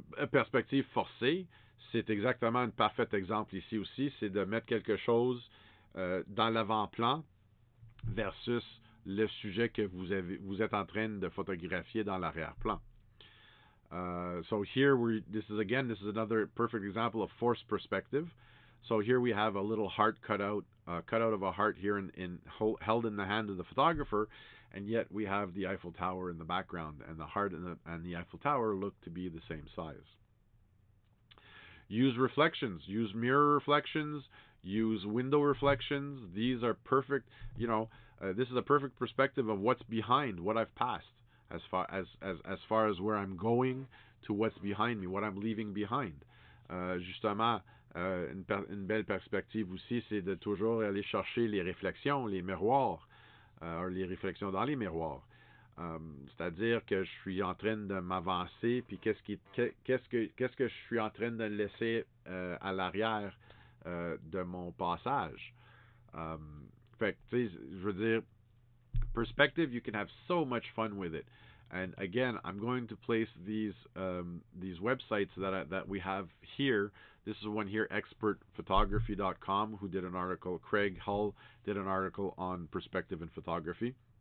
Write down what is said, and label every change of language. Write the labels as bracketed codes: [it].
[fr] perspective forcée, c'est exactement un parfait exemple ici aussi, c'est de mettre quelque chose dans l'avant-plan versus le sujet que vous êtes en train de photographier dans l'arrière-plan. [en] So here, this is another perfect example of forced perspective. So here we have a little heart cutout of a heart here held in the hand of the photographer, and yet we have the Eiffel Tower in the background, and the heart and the Eiffel Tower look to be the same size. Use reflections, use mirror reflections, use window reflections. These are perfect, you know, this is a perfect perspective of what's behind, what I've passed, as far as where I'm going to what's behind me, what I'm leaving behind. [fr] Justement, une belle perspective aussi, c'est de toujours aller chercher les réflexions, les miroirs, les réflexions dans les miroirs. C'est-à-dire que je suis en train de m'avancer, puis qu'est-ce que je suis en train de laisser à l'arrière de mon passage. Fait que, tu sais, je veux dire, perspective, [en] you can have so much fun with it. And again, I'm going to place these websites that we have here. This is one here, expertphotography.com, who did an article. Craig Hull did an article on perspective and photography.